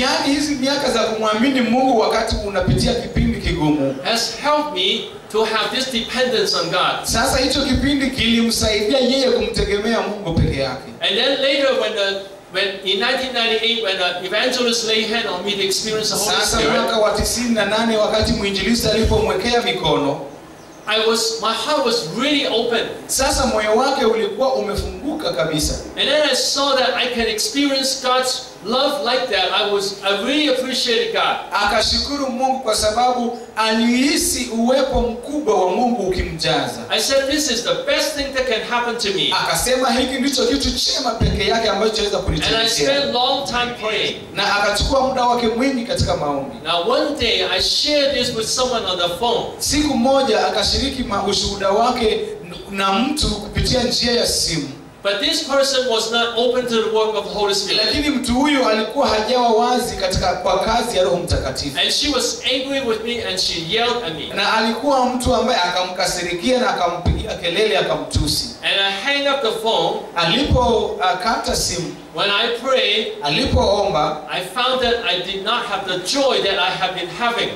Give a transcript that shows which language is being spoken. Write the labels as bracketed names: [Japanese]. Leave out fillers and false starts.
[Swahili] Yaani hizi miaka za kumwamini Mungu wakati unapitia kipindi kigumu. [English] Has helped me to have this dependence on God. [Swahili] Sasa hicho kipindi kilimsaidia yeye kumtegemea Mungu peke yake. [English] And then later when in 1998 when the evangelist laid hand on me to experience the Holy Spirit. [Swahili] Sasa mwaka wa 98 wakati mwinjilisti alipomwekea mikono, [English] my heart was really open. [Swahili] Sasa moyo wake ulikuwa umefunguka kabisa. [English] And then I saw that I can experience God's love like that. I really appreciated God. [Swahili] Akashukuru Mungu kwa sababu alihisi uwepo mkubwa wa Mungu ukimjaza. [English] I said this is the best thing that can happen to me. [Swahili] Akasema hiki ndicho kitu chema pekee yake ambacho chaweza kunitokea. [English] And I spent long time praying. [Swahili] Na akachukua muda wake mwingi katika maombi. [English] Now one day I shared this with someone on the phone. [Swahili] Siku moja akashiriki ushuhuda wake na mtu kupitia njia ya simu. [English] But this person was not open to the work of the Holy Spirit. [Swahili] Lakini mtu huyo alikuwa hajawa wazi katika kwa kazi ya Roho Mtakatifu. [English] And she was angry with me and she yelled at me. [Swahili] Na alikuwa mtu ambaye akamkasirikia na akampigia kelele akamtusi. [English] And I hang up the phone. [Swahili] Alipokata simu. [English] When I pray, [Swahili] alipoomba, [English] I found that I did not have the joy that I have been having.